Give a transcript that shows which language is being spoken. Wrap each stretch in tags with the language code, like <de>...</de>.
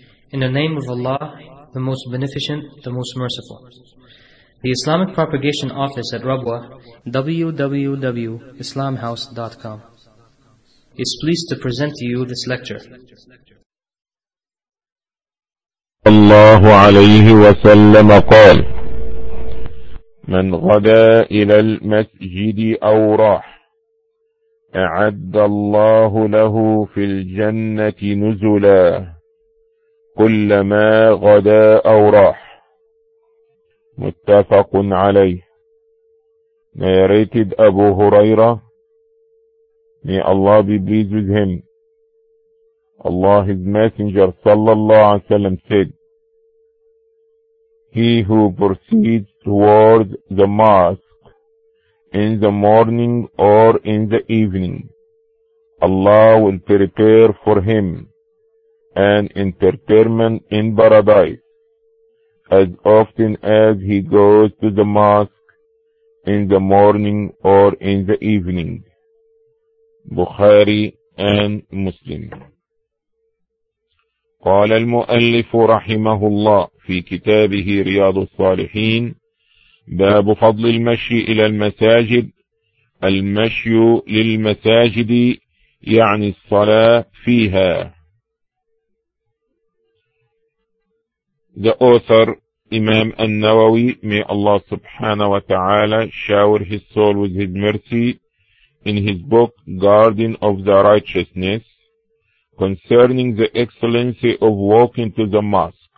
<en>In the name of Allah, the Most Beneficent, the Most Merciful. The Islamic Propagation Office at Rabwa, www.islamhouse.com, is pleased to present to you this lecture.</en> <ar>الله عليه وسلم قال من غدا إلى المسجد أو راح أعد الله له في الجنة نزلا كلما غدا أو راح. متفق عليه.</ar> <en>Narrated</en> <ar>أبو هريرة.</ar> <en>May Allah be pleased with him. Allah's Messenger</en> <ar>صلى الله عليه وسلم</ar> <en>said, he who proceeds towards the mosque in the morning or in the evening, Allah will prepare for him an entertainment in paradise as often as he goes to the mosque in the morning or in the evening. Bukhari and Muslim.</en> <ar>قال المؤلف رحمه الله في كتابه رياض الصالحين باب فضل المشي إلى المساجد. المشي للمساجد يعني الصلاة فيها.</ar> <en>The author Imam An-Nawawi, may Allah subhanahu wa ta'ala shower his soul with his mercy, in his book Garden of the Righteousness, concerning the excellency of walking to the mosque.</en>